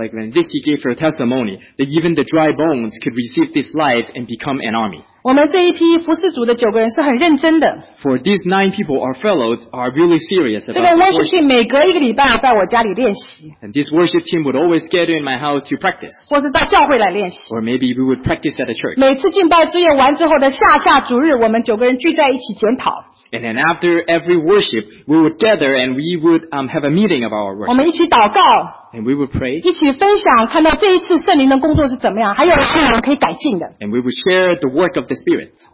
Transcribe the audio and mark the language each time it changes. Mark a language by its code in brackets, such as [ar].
[en] like when Vicky gave her testimony, that even the dry bones could receive this life and become an army. [zh] 我们这一批服侍主的九个人是很认真的。 [en] For these nine people, our fellows are really serious about worship. [zh] 这个worship team 每隔一个礼拜在我家里练习。 [en] And this worship team would always gather in my house to practice. [zh] 或是到教会来练习。 [en] Or maybe we would practice at a church. [zh] 每次敬拜之夜完之后的下下主日，我们九个人聚在一起检讨。 [en] And then after every worship, we would gather and we would have a meeting of our worship. [zh] 我们一起祷告, [en] and we would pray. [zh] 一起分享, [en] and we would share the work of the Spirit.